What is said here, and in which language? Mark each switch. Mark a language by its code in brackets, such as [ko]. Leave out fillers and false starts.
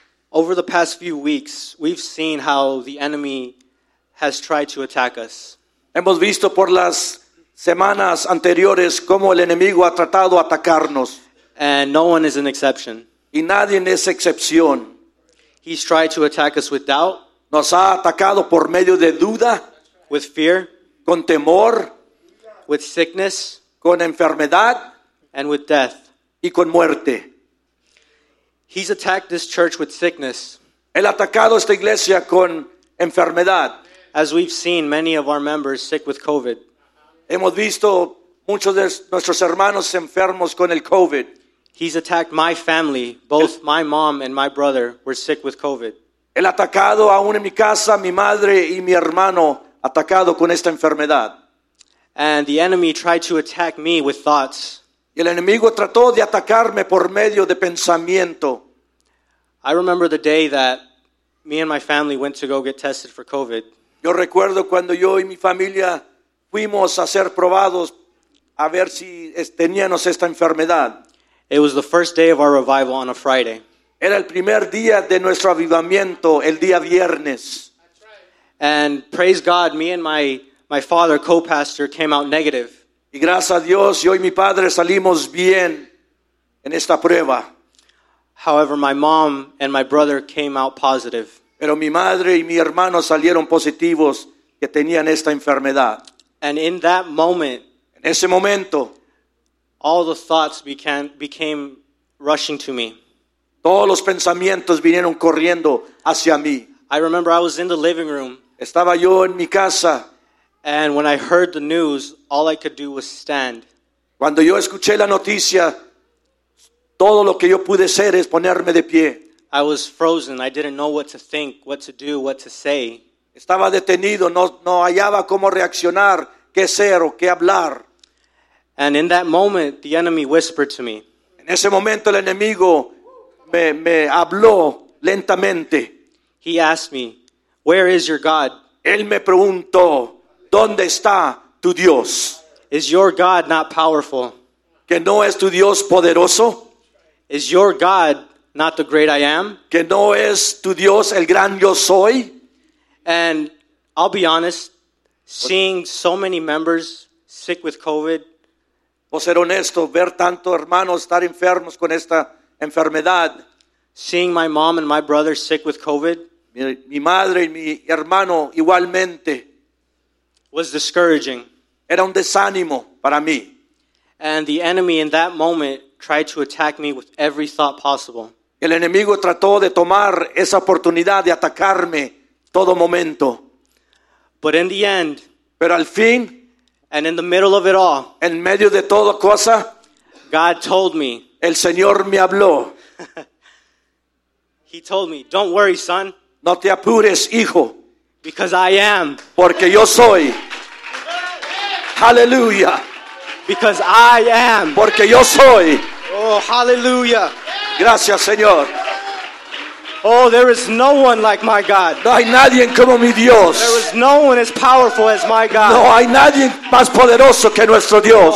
[en] Over the past few weeks, we've seen how the enemy has tried to attack us. [es] Hemos visto por las semanas anteriores como el enemigo ha tratado de atacarnos. [en] And no one is an exception. [es] Y nadie es excepción. [en] He's tried to attack us with doubt. [es] Nos ha atacado por medio de duda. [en] With fear. [es] Con temor. [en] With sickness. [es] Con enfermedad. [en] And with death. [es] Y con muerte. [en] He's attacked this church with sickness. [es] Él ha atacado esta iglesia con enfermedad. [en] As we've seen many of our members sick with COVID. [es] Hemos visto muchos de nuestros hermanos enfermos con el COVID. [en] He's attacked my family. Both my mom and my brother were sick with COVID. [es] Él ha atacado aún en mi casa, mi madre y mi hermano, atacado con esta enfermedad. [en] And the enemy tried to attack me with thoughts. [es] Y el enemigo trató de atacarme por medio de pensamiento. [en] I remember the day that me and my family went to go get tested for COVID. [es] Yo recuerdo cuando yo y mi familia fuimos a ser probados a ver si teníamos esta enfermedad. [en] It was the first day of our revival on a Friday. [es] Era el primer día de nuestro avivamiento, el día viernes. [en] And praise God, me and my father, co-pastor, came out negative. [es] Y gracias a Dios, yo y mi padre salimos bien en esta prueba. [en] However, my mom and my brother came out positive. [es] Pero mi madre y mi hermano salieron positivos que tenían esta enfermedad. [en] And in that moment, [es] en ese momento, [en] all the thoughts became rushing to me. [es] Todos los pensamientos vinieron corriendo hacia mí. [en] I remember I was in the living room. [es] Estaba yo en mi casa. [en] And when I heard the news, all I could do was stand. [es] Cuando yo escuché la noticia, todo lo que yo pude hacer es ponerme de pie. [en] I was frozen. I didn't know what to think, what to do, what to say. [es] Estaba detenido. No hallaba cómo reaccionar, qué hacer o qué hablar. [en] And in that moment, the enemy whispered to me. [es] En ese momento, el enemigo me habló lentamente. [en] He asked me, "Where is your God?" [es] Él me preguntó, ¿dónde está tu Dios? [en] Is your God not powerful? [es] ¿Que no es tu Dios poderoso? [en] Is your God not the great I am? [es] ¿Que no es tu Dios el gran yo soy? [en] And I'll be honest, seeing so many members sick with COVID. [es] Por ser honesto, ver tanto hermanos estar enfermos con esta enfermedad. [en] Seeing my mom and my brother sick with COVID. [es] Mi madre y mi hermano igualmente. [en] Was discouraging. [es] Era un desánimo para mí. [en] And the enemy in that moment tried to attack me with every thought possible. [es] El enemigo trató de tomar esa oportunidad de atacarme todo momento. [en] But in the end, [es] pero al fin, [en] and in the middle of it all, [es] en medio de toda cosa, [en] God told me, [es] el Señor me habló. [en] He told me, "Don't worry, son. [es] No te apures, hijo. [en] Because I am." [es] Porque yo soy. Hallelujah. [en] Because I am. [es] Porque yo soy. [en] Oh, hallelujah. [es] Gracias, Señor. [en] Oh, there is no one like my God. [es] No hay nadie como mi Dios. [en] There is no one as powerful as my God. [es] No hay nadie más poderoso que nuestro Dios.